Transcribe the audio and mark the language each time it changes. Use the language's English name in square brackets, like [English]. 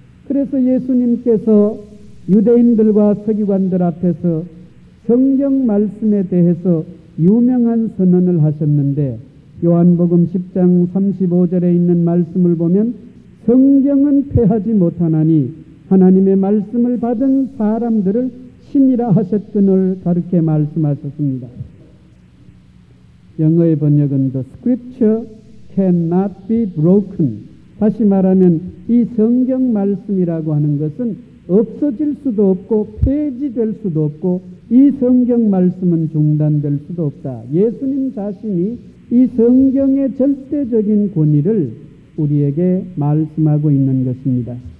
[Korean] 그래서 예수님께서 유대인들과 서기관들 앞에서 성경 말씀에 대해서 유명한 선언을 하셨는데 요한복음 10장 35절에 있는 말씀을 보면 성경은 폐하지 못하나니 하나님의 말씀을 받은 사람들을 신이라 하셨거늘 가르쳐 말씀하셨습니다. 영어의 번역은 [English] The Scripture cannot be broken. [Korean] 다시 말하면 이 성경 말씀이라고 하는 것은 없어질 수도 없고 폐지될 수도 없고 이 성경 말씀은 중단될 수도 없다. 예수님 자신이 이 성경의 절대적인 권위를 우리에게 말씀하고 있는 것입니다.